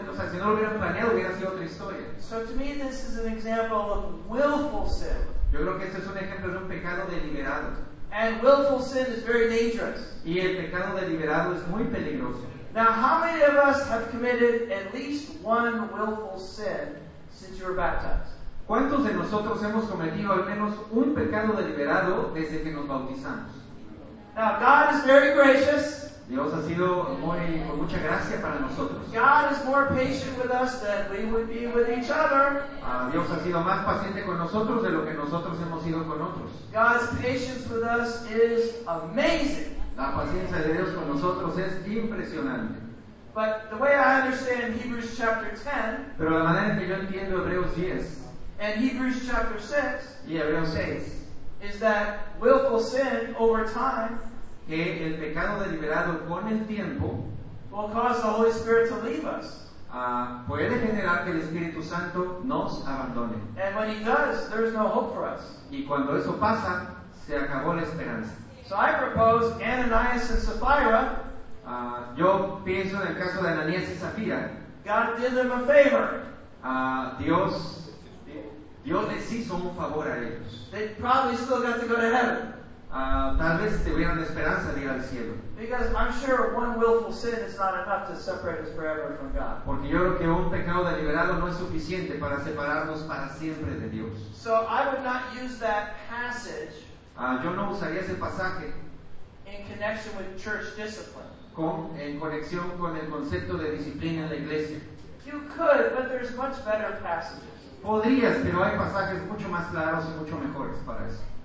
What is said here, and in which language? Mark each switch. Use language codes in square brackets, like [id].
[es] Si no lo hubieran planeado, hubiera sido otra historia. [en] So to me, this is an example of willful sin. [es] Yo creo que este es un ejemplo de un pecado deliberado. [en] And willful sin is very dangerous. [es] Y el pecado deliberado es muy peligroso. [en] Now, how many of us have committed at least one willful sin since you were baptized? [es] ¿Cuántos de nosotros hemos cometido al menos un pecado deliberado desde que nos bautizamos? [en] Now, God is very gracious. [es] Dios ha sido con mucha gracia para nosotros. [en] God is more patient with us than we would be with each other. [es] Dios ha sido más paciente con nosotros de lo que nosotros hemos sido con otros. [en] God's patience with us is amazing. [es] La paciencia de Dios con nosotros es impresionante. [en] But the way I understand Hebrews chapter 10, [es] pero la manera en que yo entiendo Hebreos 10, [en] and Hebrews chapter 6, [es] y Hebreos 6, [en] is that willful sin over time, [es] que el pecado deliberado con el tiempo, [en] will cause the Holy Spirit to leave us. [es] Puede generar que el Espíritu Santo nos abandone. [en] And when he does, there's no hope for us. [es] Y cuando eso pasa, se acabó la esperanza. [en] So I propose Ananias and Sapphira. [es] Yo pienso en el caso de Ananias y Sapphira. [en] God did them a favor. [es] Dios les hizo un favor a ellos. [en] They probably still got to go to heaven. [es] Tal vez tuvieran la esperanza de ir al cielo. [en] Because I'm sure one willful sin is not enough to separate us forever from God. [es] Porque yo creo que un pecado deliberado no es suficiente para separarnos para siempre de Dios. [en] So I would not use that passage. [es] Yo no usaría ese pasaje. [en] In connection with church discipline. [es] En conexión con el concepto de disciplina en la iglesia. [en] You could, but there's much better passages. [es] Podrías, pero hay pasajes mucho más claros y mucho mejores para eso.